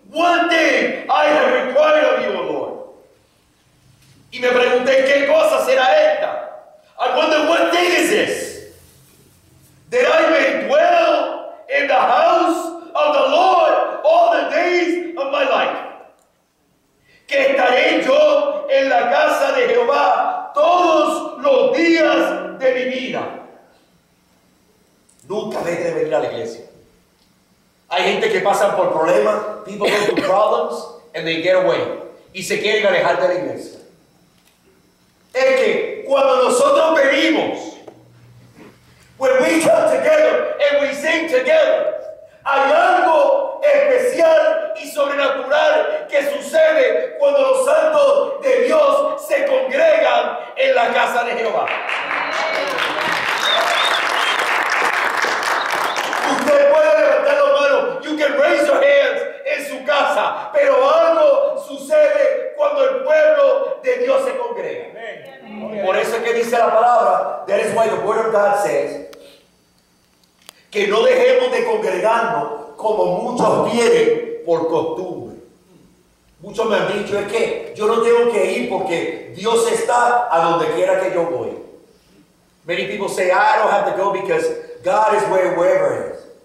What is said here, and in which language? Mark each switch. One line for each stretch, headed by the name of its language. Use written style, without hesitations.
English: One thing I have required of you, O Lord.
Spanish: Y me pregunté, ¿qué cosa será esta?
English: I wonder, what thing is this? That I may dwell in the house of the Lord all the days of my life.
Spanish: Que estaré yo en la casa de Jehová todos los días de mi vida. Nunca dejes de venir a la iglesia. Hay gente que pasa por problemas,
English: people go through problems, and they get away.
Spanish: Y se quieren alejar de la iglesia. Es que cuando nosotros venimos,
English: when we come together and we sing together,
Spanish: hay algo especial y sobrenatural que sucede cuando los santos de Dios se congregan en la casa de Jehová. Usted puede levantar la mano,
English: you can raise your hands
Spanish: en su casa, pero algo sucede cuando el pueblo de Dios se congrega. Por eso es que dice la palabra,
English: that is why the word of God says,
Spanish: que no dejemos de congregarnos como muchos quieren por costumbre. Muchos me han dicho, es que yo no tengo que ir porque Dios está a donde quiera que yo voy.
English: Many people say, I don't have to go because God is wherever he is.